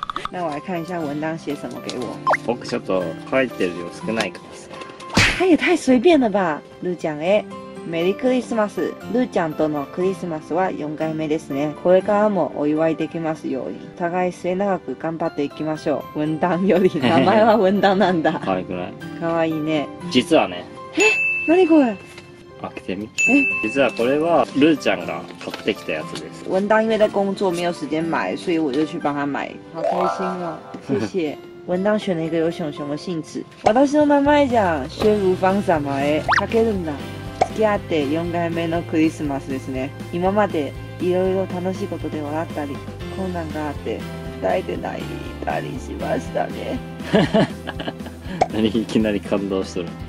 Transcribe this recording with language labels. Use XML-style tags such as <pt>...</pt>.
<zh>那我来看一下文章写什么给我。</zh> <ja>僕ちょっと書いてる量少ないかもし</ja> <zh>れない。他也太随便了吧。</zh> <ja>ルーちゃんへ、メリークリスマス。ルーちゃんとのクリスマスは4回目ですね。これからもお祝いできますように。互い末永く頑張っていきましょう。文章より名前は文章なんだ。可愛くない。可愛いね。実はね。え、何これ。開けてみ。実はこれはルーちゃんが買ってきたやつです。</ja> <zh>文当因为在工作没有时间买，所以我就去帮他买。好开心啊！谢谢。文当选了一个有熊熊的信纸。</zh> <ja>私の名前じゃ薛如芳様へ。かけるんだ。付き合って4回目のクリスマスですね。今までいろいろ楽しいことで笑ったり、困難があって抱いて泣いたりしましたね。何いきなり感動しとる。</ja>